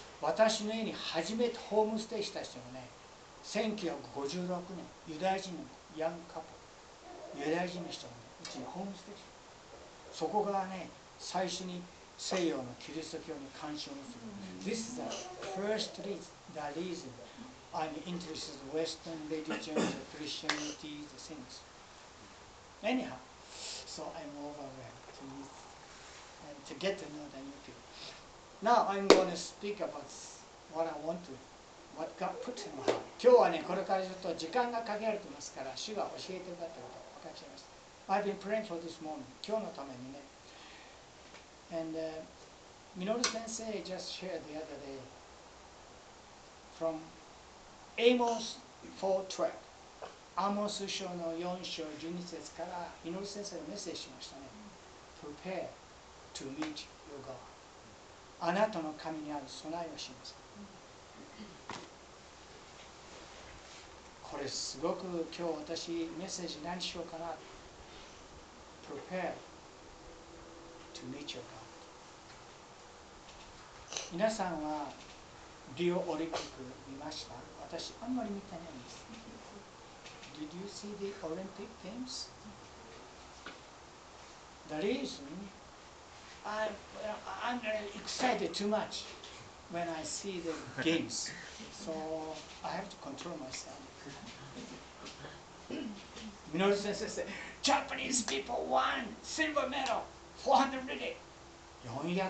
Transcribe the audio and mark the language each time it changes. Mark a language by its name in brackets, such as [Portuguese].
[Japanese] 私の家に初めてホームステイした人もね、1956年、ユダヤ人のヤングカップル、ユダヤ人の人もね、うちにホームステイした。そこがね、最初に西洋のキリスト教に関心をする。 [English] This is the first reason I'm interested in Western religions, Christianity, the things. Anyhow, so I'm overwhelmed to meet and to get to know the new people. Now I'm going to speak about what I want to, what God put in my heart. [Japanese] 今日はね、これからちょっと時間が限られてますから、主が教えてくださったことを分かっちゃいます。 [English] I've been praying for this moment. [Japanese] 今日のためにね、 [English] And Minoru Sensei just shared the other day from Amos 4:12. [Japanese] Amos 書の4章12節から Minoru Sensei がメッセージしましたね。 [English] Prepare to meet your God. [Japanese] あなたの神にある備えをします。これすごく今日私メッセージ何しようかな。 [English] Prepare to meet your God。 [Japanese] 皆さんはリオオリンピック見ました？私あんまり見てないんです。 [English] Did you see the Olympic Games? The reason I'm excited too much when I see the games, so I have to control myself. Minoru Sensei said, Japanese people won silver medal, 400 meters.